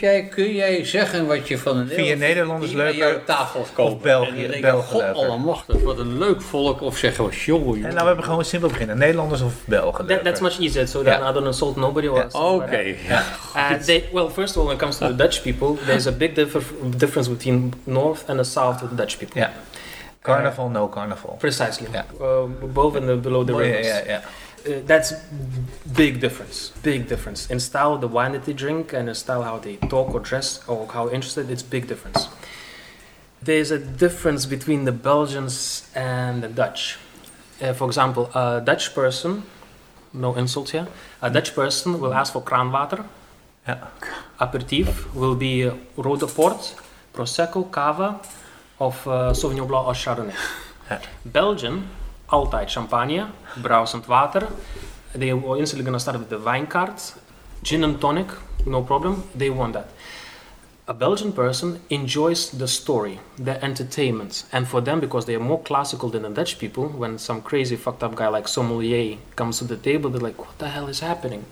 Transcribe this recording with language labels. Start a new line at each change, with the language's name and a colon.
Dutch: Kun jij zeggen wat je van de Nederlanders, leuk aan tafel komt? Of België? God allemachtig, wat een leuk volk. Of zeggen we, jongen. En nou, we hebben gewoon simpel beginnen. Nederlanders of Belgen?
English: That's much easier, so that I don't insult nobody. Yeah.
Dutch: Oké.
English: Okay. Yeah. Well, first of all, when it comes to the Dutch people, there's a big difference between North and the South of the Dutch people. Yeah. Carnival, no carnival. Precisely. Yeah. Above and below the rivers. Yeah, yeah, yeah. That's big difference in style, the wine that they drink, and in style how they talk or dress or how interested. It's big difference. There's a difference between the Belgians and the Dutch. For example, a Dutch person, no insult here, a Dutch person will ask for kraanwater. Yeah. Aperitif will be rode port, prosecco, cava, of Sauvignon Blanc or Chardonnay. Yeah.
Dutch: Belgian altijd champagne, brouwend water.
English: They are instantly going to start with the wine card, gin and tonic, no problem. They want that. A Belgian person enjoys the story, the entertainment. And for them, because they are more classical than the Dutch people, when some crazy fucked up guy like sommelier comes to the table, they're like, what the hell is happening?